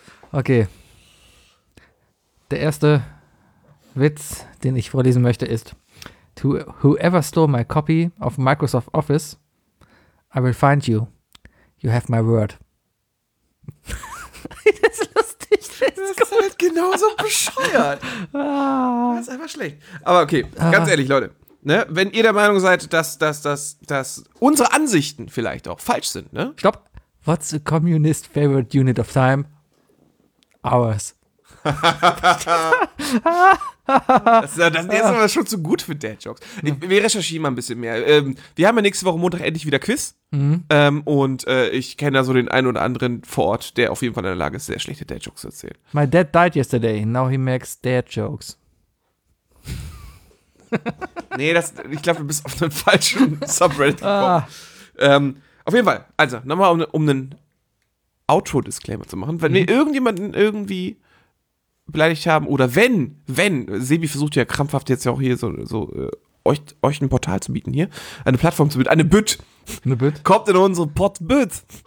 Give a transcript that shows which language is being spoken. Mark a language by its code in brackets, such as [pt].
[en] okay. [de] Der erste Witz, den ich vorlesen möchte, ist: [en] To whoever stole my copy of Microsoft Office, I will find you. You have my word. [de] Das ist lustig. Das ist halt genauso bescheuert. Das ist einfach schlecht. Aber okay, ganz ehrlich, Leute. Ne, wenn ihr der Meinung seid, dass unsere Ansichten vielleicht auch falsch sind, ne? Stopp. [en] What's a communist favorite unit of time? Hours. [de] Das ist aber schon zu gut für Dad-Jokes. Wir recherchieren mal ein bisschen mehr. Wir haben ja nächste Woche Montag endlich wieder Quiz. Mhm. Und ich kenne da so den einen oder anderen vor Ort, der auf jeden Fall in der Lage ist, sehr schlechte Dad-Jokes zu erzählen. [en] My dad died yesterday, now he makes Dad-Jokes. [de] Nee, ich glaube, du bist auf einem falschen Subreddit gekommen. Auf jeden Fall, also nochmal um einen Outro-Disclaimer zu machen. Wenn wir irgendjemanden irgendwie beleidigt haben, oder wenn Sebi versucht ja krampfhaft jetzt ja auch hier euch ein Portal zu bieten hier, eine Plattform zu bieten, eine Bütt, kommt in unsere Pott-Bütt.